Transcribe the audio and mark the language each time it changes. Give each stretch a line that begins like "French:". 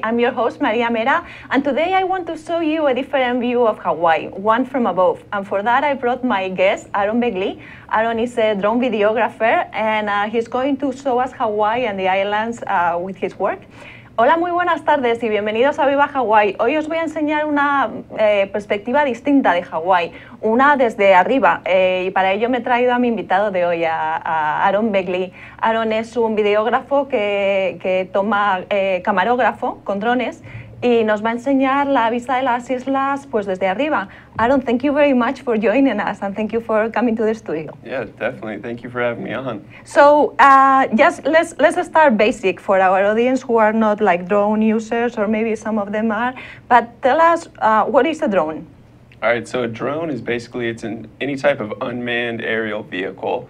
English: I'm your host, Maria Mera, and today I want to show you a different view of Hawaii, one from above. And for that, I brought my guest, Aaron Begle. Aaron is a drone videographer, and he's going to show us Hawaii and the islands with his work.
Spanish: Hola, muy buenas tardes y bienvenidos a Viva Hawaii. Hoy os voy a enseñar una perspectiva distinta de Hawaii, una desde arriba. Y para ello me he traído a mi invitado de hoy, a Aaron Begle. Aaron es un videógrafo que toma camarógrafo con drones y nos va a enseñar la vista de las islas pues desde arriba.
English: Aaron, thank you very much for joining us and thank you for coming to the studio. Yeah, definitely. Thank you for having me on. So, just let's start basic for our audience who are not like drone users, or maybe some of them are. But tell us, what is a drone? All right, so a drone is basically, it's any type of unmanned aerial vehicle.